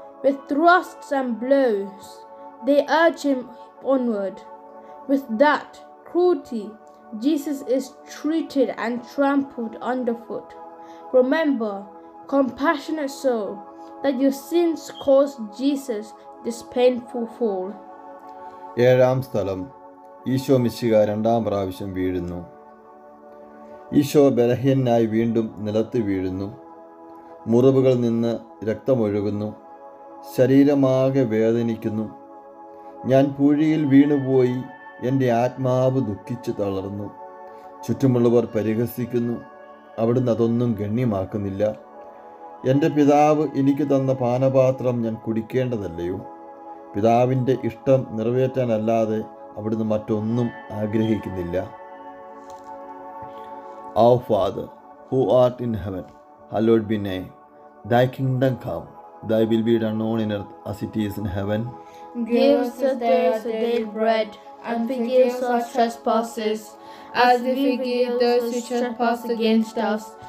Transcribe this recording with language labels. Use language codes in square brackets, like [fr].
[en] With thrusts and blows, they urge him onward. With that cruelty, Jesus is treated and trampled underfoot. Remember, compassionate soul, that your sins caused Jesus this painful fall. [ml] ഏഴാം സ്ഥലം, ഈശോ മിശിഹ രണ്ടാം പ്രാവശ്യം വീഴുന്നു. ഈശോ ബലഹീനനായി വീണ്ടും നിലത്ത് വീഴുന്നു. മുറിവുകളിൽ നിന്ന് രക്തമൊഴുകുന്നു. ശരീരമാകെ വേദനിക്കുന്നു. ഞാൻ പുഴിയിൽ വീണുപോയി, എൻ്റെ ആത്മാവ് ദുഃഖിച്ച് തളർന്നു. ചുറ്റുമുള്ളവർ പരിഹസിക്കുന്നു. അവിടുന്ന് അതൊന്നും ഗണ്യമാക്കുന്നില്ല. എൻ്റെ പിതാവ് എനിക്ക് തന്ന പാനപാത്രം ഞാൻ കുടിക്കേണ്ടതല്ലയോ? പിതാവിൻ്റെ ഇഷ്ടം നിറവേറ്റാനല്ലാതെ അവിടുന്ന് മറ്റൊന്നും ആഗ്രഹിക്കുന്നില്ല. [en] Our Father, who art in heaven, hallowed be name. Thy kingdom come, thy will be done on earth as it is in heaven. Give us today our daily bread, and forgive us our trespasses, as we forgive those who trespass against us.